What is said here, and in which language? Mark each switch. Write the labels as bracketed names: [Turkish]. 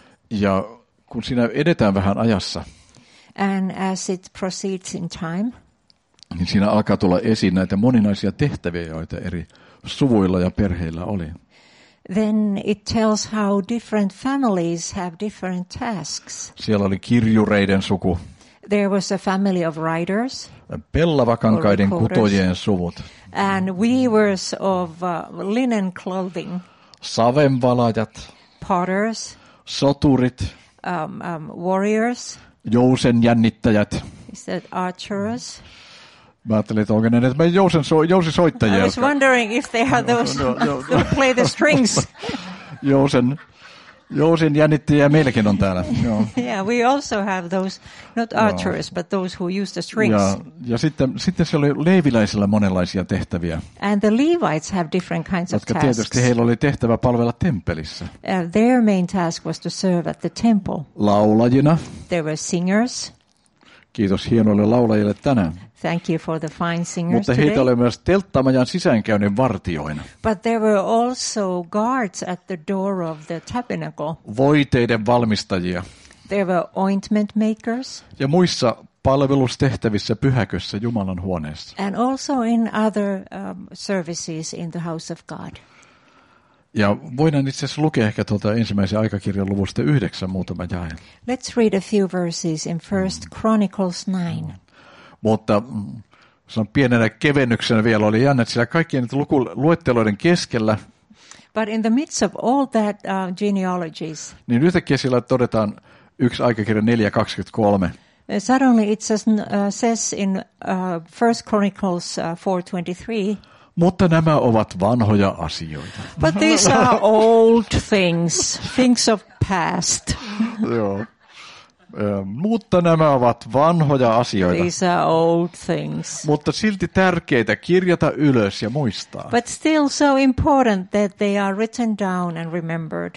[Finnish] Ja kun siinä edetään vähän ajassa. [English] And as it proceeds in time. [Finnish] Niin siinä alkaa tulla esiin näitä moninaisia tehtäviä, joita eri suvuilla ja perheillä oli. [English] Then it tells how different families have different tasks. [Finnish] Siellä oli kirjureiden suku. [English] there was a family of writers. [Finnish] Pellavakankaiden kutojien suvut. [English] And weavers of linen clothing. [Finnish] Savenvalajat. [English] Potters. [Finnish] Soturit. [English] Warriors. [Finnish] Jousenjännittäjät. [English] Is that archers? [Finnish] Mä ajattelin, että onko ne näitä jousen jousisoittajia. [English] I was wondering if they are those who play the strings. [Finnish] Jousen jännittäjiä meilläkin on täällä. [English] Yeah, we also have those, not archers, but those who use the strings. [Finnish] Ja sitten siellä oli leiviläisillä monenlaisia tehtäviä. [English] And the Levites have different kinds of tasks. [Finnish] Tietysti heillä oli tehtävä palvella temppelissä. [English] Their main task was to serve at the temple. [Finnish] Laulajina. [English] There were singers. [Finnish] Kiitos hienoille laulajille tänään. [English] Thank you for the fine singers. [Finnish] Mutta heitä [English] today [Finnish] oli myös telttamajan sisäänkäynnin vartioina. [English] But there were also guards at the door of the tabernacle. [Finnish] Voiteiden valmistajia. [English] There were ointment makers. [Finnish] Ja muissa palvelustehtävissä pyhäkössä Jumalan huoneessa. [English] And also in other services in the house of God. [Finnish] Ja voidaan itse asiassa lukea ehkä tuolta ensimmäisen aikakirjan luvusta 9 muutama jae. [English] Let's read a few verses in 1 Chronicles 9. [Finnish] Mutta se on pienenä kevennyksenä vielä oli jännä, että siellä kaikkien luetteloiden keskellä. [English] But in the midst of all that genealogies. [Finnish] Niin yhtäkkiä siellä todetaan 1 aikakirja 4:23. [English] Suddenly it says in 1 Chronicles 4:23. [Finnish] Mutta nämä ovat vanhoja asioita. [English] But these are old things, things of past. [Finnish] Joo. Mutta nämä ovat vanhoja asioita. [English] These are old things. [Finnish] Mutta silti tärkeitä kirjata ylös ja muistaa. [English] But still so important that they are written down and remembered.